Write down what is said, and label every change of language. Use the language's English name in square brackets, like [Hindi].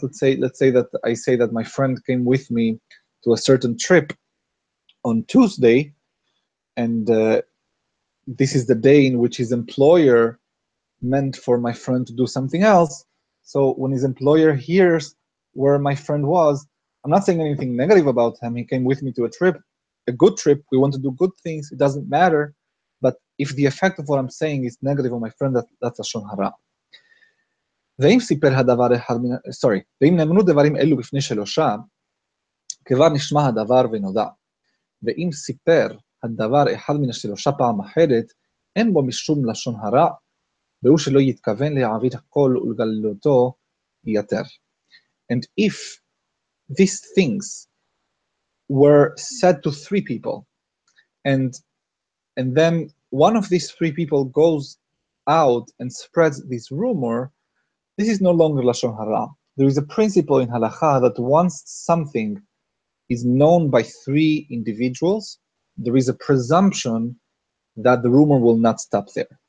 [English] Let's say that I say that my friend came with me to a certain trip on Tuesday, and this is the day in which his employer meant for my friend to do something else. So when his employer hears where my friend was, I'm not saying anything negative about him. He came with me to a trip, a good trip. We want to do good things. It doesn't matter. If the effect of what I'm saying is negative on my friend, that's לשון הרע. [Hebrew] ואם סיפר הדבר אחד, [English] sorry, [Hebrew] ואם נאמנו דברים אלו בפני שלושה, כבר נשמע הדבר ונודע. ואם סיפר הדבר אחד מן השלושה פעם אחרת, אין בו משום לשון הרע, והוא שלא יתכוון להעביר הכל ולגלותו יותר. [English] And if these things were said to three people, and then one of these three people goes out and spreads this rumor, this is no longer Lashon Hara. There is a principle in Halakha that once something is known by three individuals, there is a presumption that the rumor will not stop there.